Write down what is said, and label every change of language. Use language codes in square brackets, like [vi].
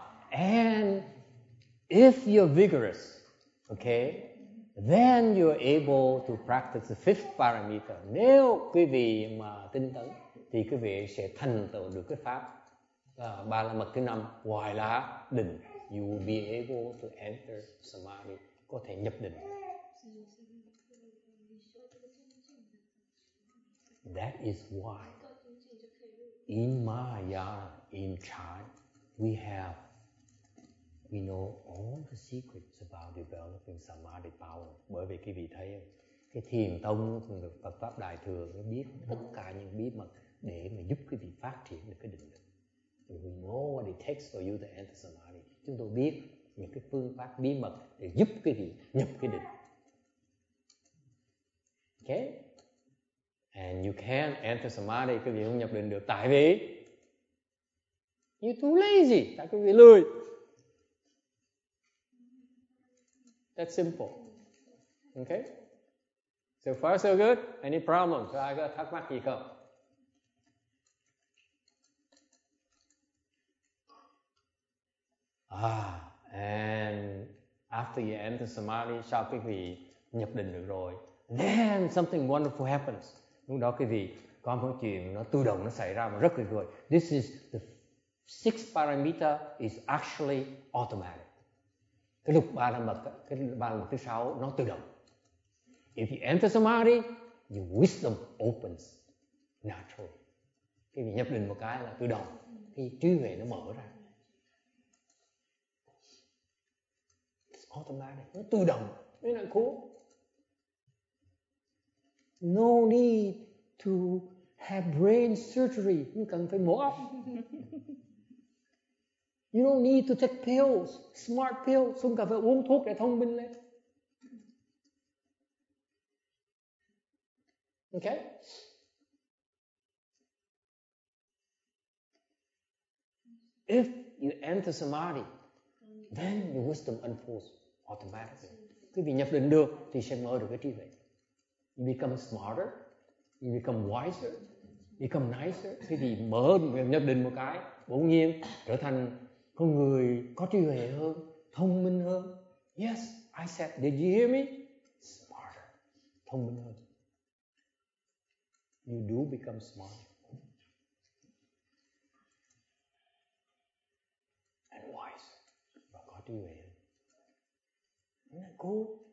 [en] And if you're vigorous, okay, then you're able to practice the fifth parameter. [vi] Nếu quý vị mà tinh tấn, thì quý vị sẽ thành tựu được cái pháp ba la mật thứ năm, hoài lá định. [en] You will be able to enter samadhi, [vi] có thể nhập định. [en] That is why in Maya, in China, we know all the secrets about developing samadhi power. [vi] Bởi vì quý vị thấy cái thiền tông được Phật pháp đại thừa nó biết tất cả những bí mật để mà giúp quý vị phát triển được cái định lực. [en] We know what it takes for you to enter samadhi. [vi] Chúng tôi biết những cái phương pháp bí mật để giúp quý vị nhập cái định. Okay? [en] And you can't enter samadhi, [vi] quý vị không nhập định được. Tại vì [en] you're too lazy, [vi] tại quý vị lười. [en] That's simple. Okay? So far so good. Any problem? [vi] Có ai có thắc mắc gì không? [en] And after you enter samadhi, [vi] sau quý vị nhập định được rồi, [en] then something wonderful happens. [vi] Lúc đó quý vị có một chuyện nó tự động nó xảy ra mà rất tuyệt vời. [en] This is the sixth parameter is actually automatic. [vi] Cái lục ba la mật, cái ba la mật thứ sáu nó tự động. [en] If you enter samadhi, your wisdom opens naturally. [vi] Quý vị nhập định một cái là tự động, cái trí huệ nó mở ra. Automatic, nó tự động, nó là cố. [en] No need to have brain surgery, [vi] không cần phải mổ óc. [en] You don't need to take pills, smart pills, [vi] không cần phải uống thuốc để thông minh lên. [en] Okay? If you enter samadhi, then your wisdom unfolds automatically. [vi] Quý vị nhập định được thì sẽ mở được cái trí huệ. [en] You become smarter, you become wiser, you become nicer. [vi] Quý vị mở nhập định một cái, bỗng nhiên trở thành con người có trí huệ hơn, thông minh hơn. [en] Yes, I said, did you hear me? Smarter, [vi] thông minh hơn. [en] You do become smarter and wiser. [vi] Và có trí huệ. [en] Cool.